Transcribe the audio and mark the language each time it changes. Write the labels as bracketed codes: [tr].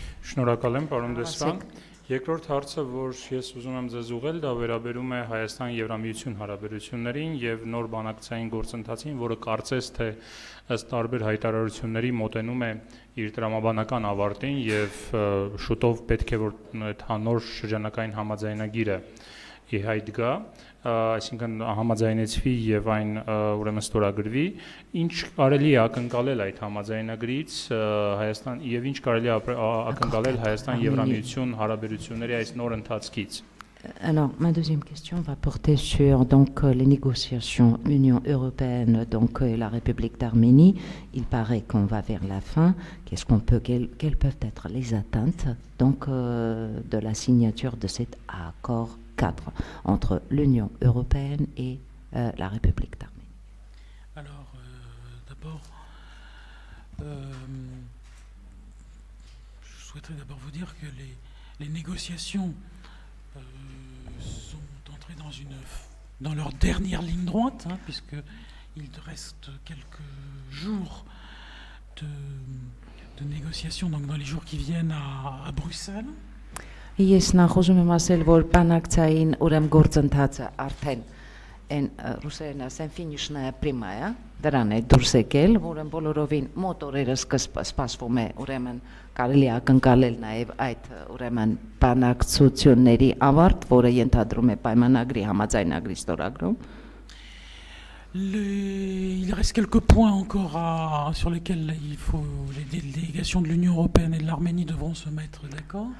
[hy] Շնորհակալ եմ, պարոն Դեսվան։ Երկրորդ հարցը, որ ես ուզում եմ ձեզ ուղղել, դա վերաբերում է Հայաստան-Եվրամիություն հարաբերություններին եւ նոր բանակցային գործընթացին, որը կարծես թե ըստ տարբեր հայտարարությունների մոտենում է իր դրամաբանական ավարտին եւ շուտով պետք է որ այդ նոր շրջանակային համաձայնագիրը ի հայտ գա, այսինքն համաձայնեցվի եւ այն ուրեմն ստորագրվի, ինչ կարելի է ակնկալել այդ համաձայնագրից Հայաստան եւ ինչ կարելի է ակնկալել Հայաստան-Եվրամիություն հարաբերությունների այս նոր ընթացքից։ [fr] Alors, ma deuxième question va porter sur donc les négociations Union européenne donc et la République d'Arménie. Il paraît qu'on va vers la fin. Qu'est-ce qu'on peut quelles peuvent être les attentes donc de la signature de cet accord cadre entre l'Union européenne et la République d'Arménie? Alors, d'abord, je souhaiterais d'abord vous dire que les négociations sont entrées dans leur dernière ligne droite, hein, puisqu'il reste quelques jours de négociations, donc dans les jours qui viennent à Bruxelles. [hy] Ես նախ ուզում եմ ասել, որ բանակցային ուրեմն գործընթացը արդեն այն ռուսերեն ասեն ֆինիշնայա պրիմայա, դրան է դուրս եկել, որը բոլորովին մոտ օրերը սպասվում է, ուրեմն կարելի ակնկալել նաև այդ ուրեմն բանակցությունների ավարտ, որը ենթադրում է պայմանագրի համաձայնագրի ստորագրում։ [fr] Il reste quelques points encore sur lesquels les délégations de l'Union européenne et de l'Arménie devront se mettre d'accord.